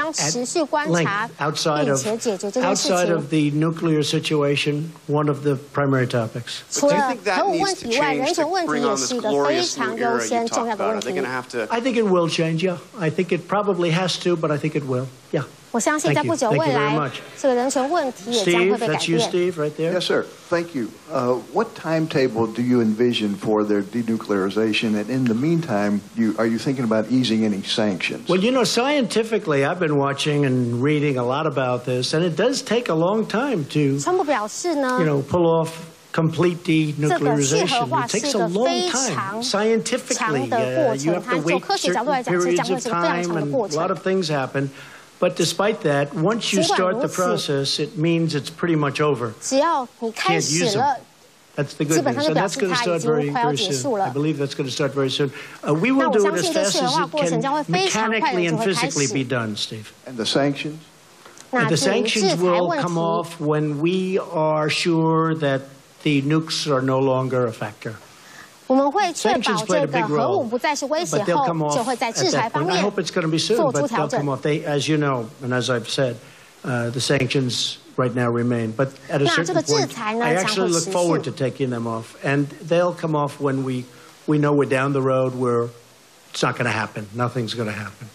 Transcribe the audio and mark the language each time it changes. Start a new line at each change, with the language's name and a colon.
Chinese: 谈到人权问题，川普表示这是一个非常艰难的任务，我们要持续观察，并且解决这个事情。
English: Outside of the nuclear situation, one of the primary topics.
Chinese: 除了核武问题以外，人权问题也是一个非常优先重要的问题。
English: I think it will change. Yeah, I think it probably has to, but I think it will. Yeah.
Chinese: 我相信在不久未来，这个人权问题也将会被改变。Steve,
English: that's you, Steve, right there. Yes, sir. Thank you. What timetable do you envision for their denuclearization? And in the meantime, are you thinking about easing any sanctions? Well, you know, scientifically, I've been watching and reading a lot about this, and it does take a long time to, pull off complete denuclearization. It takes a long time. Scientifically, you have to wait certain periods of time, and a lot of things happen. But despite that, once you start the process, it means it's pretty much over. Can't use them. That's the good news. And that's going to start very, very soon. I believe that's going to start very soon. We will do it as fast as it can mechanically and physically be done, Steve. And the sanctions? And the sanctions will come off when we are sure that the nukes are no longer a factor.
Chinese: 我们会确保这个核武不再是威胁后，就会在制裁方面做出调整。
English: As you know, and as I've said, the sanctions right now remain. But at a certain point, I actually look forward to taking them off, and they'll come off when we know we're down the road where it's not going to happen. Nothing's going to happen.